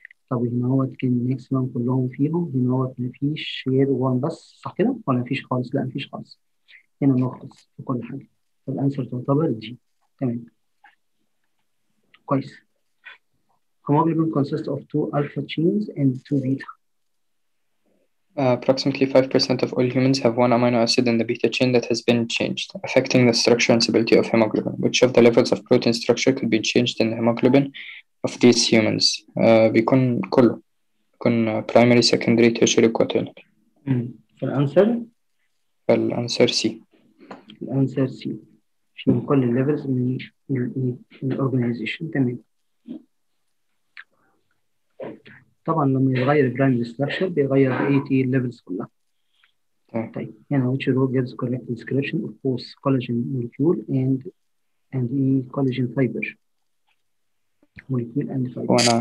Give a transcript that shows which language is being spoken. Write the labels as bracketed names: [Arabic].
[Arabic] طب هنا هو كان ماكسيمم كلهم فيهم، هنا هو ما فيش شير 1 بس صح كده؟ ولا ما فيش خالص؟ لا ما فيش خالص. هنا نخلص في كل حاجه. فالانسر تعتبر جي. تمام. كويس. هيموجلوبين كونسيست اوف 2 الفا تشينز اند 2 بيتا. [English] Approximately 5% of all humans have one amino acid in the beta chain that has been changed, affecting the structure and stability of hemoglobin. Which of the levels of protein structure could be changed in the hemoglobin of these humans? [Arabic] بيكون كله. [English] بيكون primary, secondary, tertiary, quaternary. [Arabic] فالانسر؟ فالانسر C. الانسر C. في كل levels من الorganization. تمام. طبعا لما يغير البرايم ستراكشر بيغير اي تي ليفلز كلها. طيب هنا ويتش رول جيفز كوريكت ديسكريبشن اوف بوث كولاجين مولكيول اند اي كولاجين فايبر مولكيول اند فايبر.